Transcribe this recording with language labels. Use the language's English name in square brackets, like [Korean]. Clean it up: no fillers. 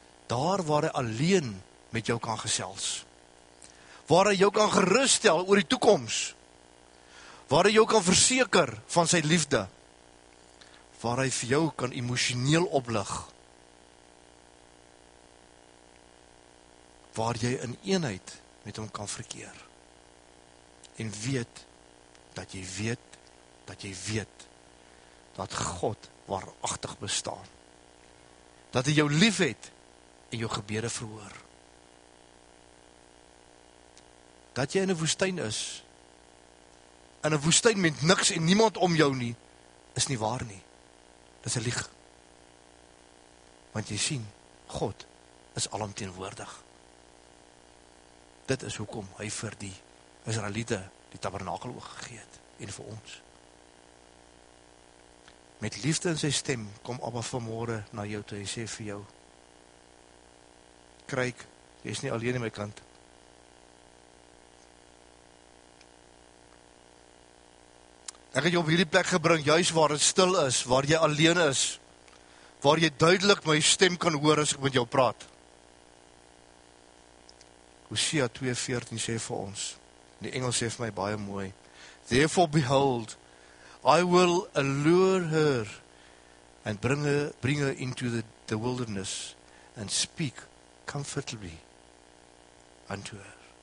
[Afrikaans] Daar waar hy alleen met jou kan gesels. Waar hy jou kan geruststel oor die toekoms. Waar hy jou kan verseker van sy liefde. Waar hy vir jou kan emotioneel oplig. Waar jy in eenheid met hom kan verkeer. En weet dat jy weet dat jy weet, dat God waarachtig bestaan, dat hy jou lief het, en jou gebede verhoor, dat jy in 'n woestyn is, in 'n woestyn met niks en niemand om jou nie, is nie waar nie, dis 'n lieg, want jy sien, God is alomteenwoordig, dit is hoekom hy vir die Israeliete die tabernakel oorgegee het, en vir ons. Met liefde in sy stem, kom Abba vanmorgen na jou toe en sê vir jou, Kruik, jy is nie alleen in my kant. Ek het jou op hierdie plek gebring, juis waar het stil is, waar jy alleen is, waar jy duidelik my stem kan hoor as ek met jou praat. Hosea 2:14 sê vir ons, die Engels sê vir my baie mooi, [English] Therefore behold, I will allure her and bring her into the wilderness and speak comfortably unto her.